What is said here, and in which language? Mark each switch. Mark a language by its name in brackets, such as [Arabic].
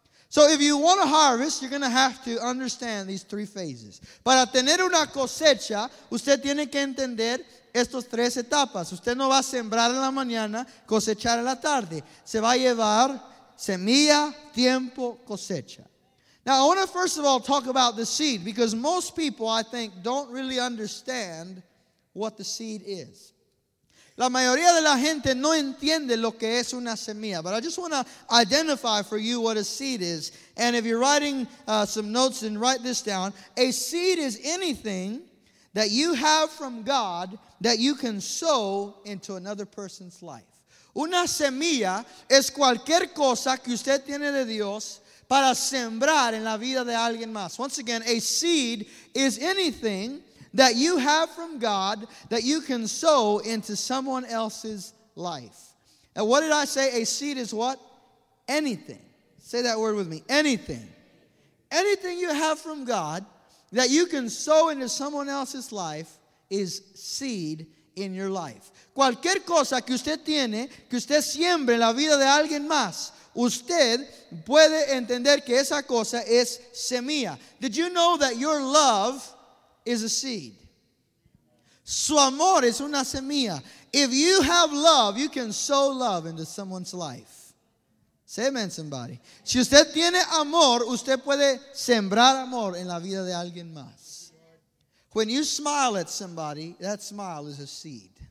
[English] So if you want a harvest, you're going to have to understand these three phases. [Spanish] Para tener una cosecha, usted tiene que entender estos tres etapas. Usted no va a sembrar en la mañana, cosechar en la tarde. Se va a llevar semilla, tiempo, cosecha. [English] Now, I want to first of all talk about the seed because most people, I think, don't really understand what the seed is. [Spanish] La mayoría de la gente no entiende lo que es una semilla. [English] But I just want to identify for you what a seed is. And if you're writing some notes, then write this down. A seed is anything that you have from God that you can sow into another person's life. [Spanish] Una semilla es cualquier cosa que usted tiene de Dios para sembrar en la vida de alguien más. [English] Once again, a seed is anything that you have from God that you can sow into someone else's life. And what did I say? A seed is what? Anything. Say that word with me. Anything. Anything you have from God that you can sow into someone else's life is seed in your life. [Spanish] Cualquier cosa que usted tiene, que usted siembre en la vida de alguien más, usted puede entender que esa cosa es semilla. [English] Did you know that your love is a seed? [Spanish] Su amor es una semilla. [English] If you have love, you can sow love into someone's life. Say amen, somebody. [Spanish] Si usted tiene amor, usted puede sembrar amor en la vida de alguien más. [English] When you smile at somebody, that smile is a seed.